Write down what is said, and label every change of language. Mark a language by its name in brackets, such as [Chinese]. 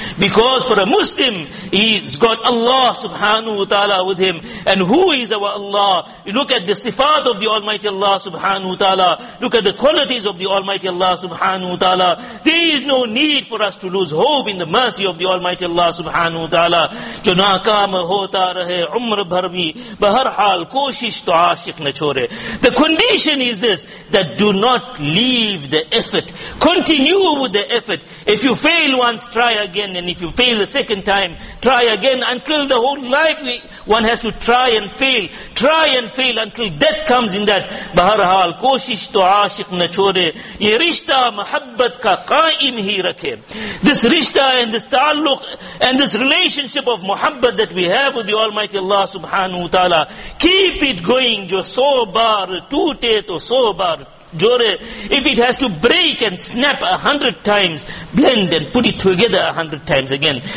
[English] Because for a Muslim, he's got Allah subhanahu wa ta'ala with him. And who is our Allah? You look at the sifat of the Almighty Allah subhanahu wa ta'ala. Look at the qualities of the Almighty Allah subhanahu wa ta'ala. There is no need for us to lose hope in the mercy of the Almighty Allah subhanahu wa ta'ala. [Urdu] ہوتا رہے عمر بھر بھی, بہرحال کوشش تو عاشق نہ چھوڑے. [English] The condition is this, that do not leave the effort, continue with the effort. If you fail once, try again, and if you fail the second time, try again, until the whole life one has to try and fail until death comes in that. [Urdu] بہرحال کوشش تو عاشق نہ چھوڑے, یہ رشتہ محبت کا قائم ہی رکھے. [English] This rishta and this taalluq and this relationship of muhabbat that we have with the Almighty Allah subhanahu wa ta'ala, keep it going. [Urdu] Jo so bar toote to so bar jore, [English] if it has to break and snap 100 times, blend and put it together 100 times again.